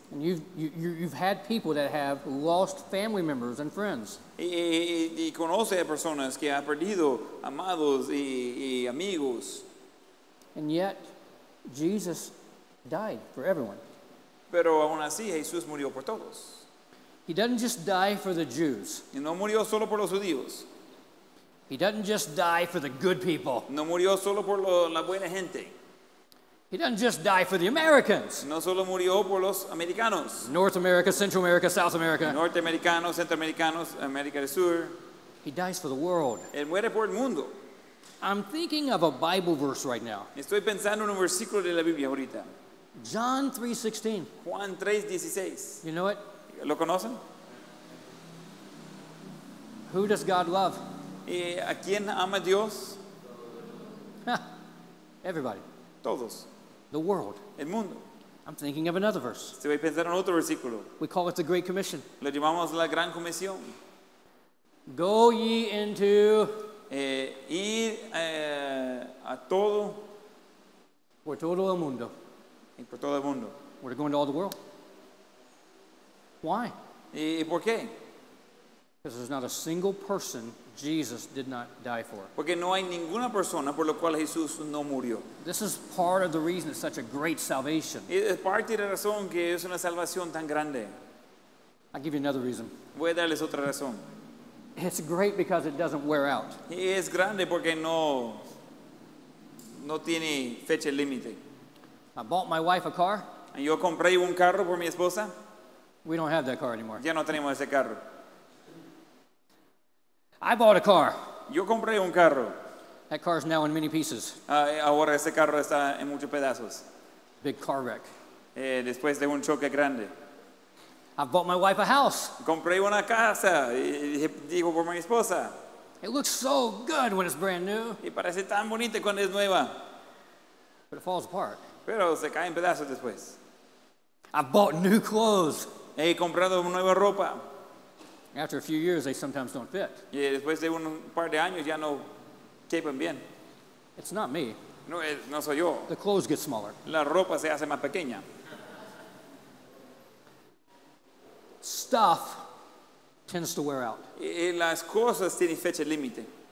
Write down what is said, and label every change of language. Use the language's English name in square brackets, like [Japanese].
[English] And you've had people that have lost family members and friends. [Spanish] Y conoce a personas que ha perdido amados y amigos. [English] And yet, Jesus died for everyone. [Spanish] Pero aún así, Jesús murió por todos. [English] He doesn't just die for the Jews. [Spanish] Y no murió solo por los judíos. [English] He doesn't just die for the good people. [Spanish] No murió solo por la buena gente. [English] He doesn't just die for the Americans. [Spanish] No solo murió por los americanos. [English] North America, Central America, South America. [Spanish] Norteamericanos, centroamericanos, América del Sur. [English] He dies for the world. [Spanish] Él muere por el mundo. [English] I'm thinking of a Bible verse right now. [Spanish] Estoy pensando en un versículo de la Biblia ahorita. [English] John 3:16. [Spanish] Juan 3:16. [English] You know it? [Spanish] ¿Lo conocen? [English] Who does God love? [Spanish] ¿A quién ama Dios? [English] Everybody. [Spanish] Todos. [English] The world. [Spanish] El mundo. [English] I'm thinking of another verse. [Spanish] Estoy pensando en otro versículo. [English] We call it the Great Commission. [Spanish] Lo llamamos la Gran Comisión. [English] Go ye into... [Spanish] Ir a todo... Por todo el mundo. Y por todo el mundo. [English] We're going to all the world. Why? [Spanish] ¿Y por qué? [English] Because there's not a single person Jesus did not die for. [Spanish] Porque no hay ninguna persona por la cual Jesús no murió. [English] This is part of the reason it's such a great salvation. [Spanish] Es parte de la razón que es una salvación tan grande. [English] I'll give you another reason. [Spanish] Voy a darles otra razón. [English] It's great because it doesn't wear out. [Spanish] Es grande porque no tiene fecha límite. [English] I bought my wife a car. [Spanish] Y yo compré un carro por mi esposa. [English] We don't have that car anymore. [Spanish] Ya no tenemos ese carro. [English] I bought a car. [Spanish] Yo compré un carro. [English] That car is now in many pieces. [Spanish] Ahora ese carro está en muchos pedazos. [English] Big car wreck. [Spanish] Después de un choque grande. [English] I bought my wife a house. [Spanish] Compré una casa. Dijo por mi esposa. [English] It looks so good when it's brand new. [Spanish] Y parece tan bonito cuando es nueva. [English] But it falls apart. [Spanish] Pero se cae en pedazos después. [English] I bought new clothes. [Spanish] He comprado nueva ropa. [English] After a few years, they sometimes don't fit. [Spanish] Y después de un par de años ya no quepan bien. [English] It's not me. [Spanish] No soy yo. [English] The clothes get smaller. [Spanish] La ropa se hace más pequeña. [English] Stuff tends to wear out. [Spanish] Y las cosas tienen fecha límite.